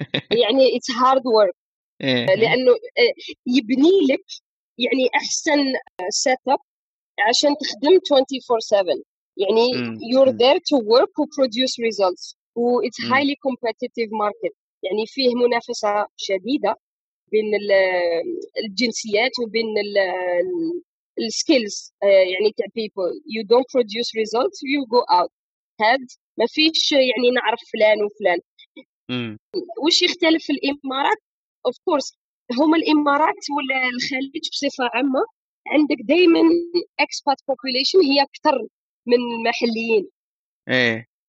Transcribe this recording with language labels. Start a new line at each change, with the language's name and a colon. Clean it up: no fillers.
Arabic: يعني
English: it's hard work
Arabic: لأنه يبني لك يعني أحسن setup عشان تخدم 24/7، يعني
English: you're there to work to produce results
Arabic: و
English: it's highly competitive market،
Arabic: يعني فيه منافسة شديدة بين الجنسيات وبين السكيلز يعني تاع people.
English: You don't produce results, you go out.
Arabic: هاد ما فيش يعني نعرف فلان وفلان. وش يختلف في الإمارات؟
English: Of course
Arabic: هما الإمارات ولا الخليج بصفة عامة عندك دائما expat population هي أكثر من المحليين. إيه.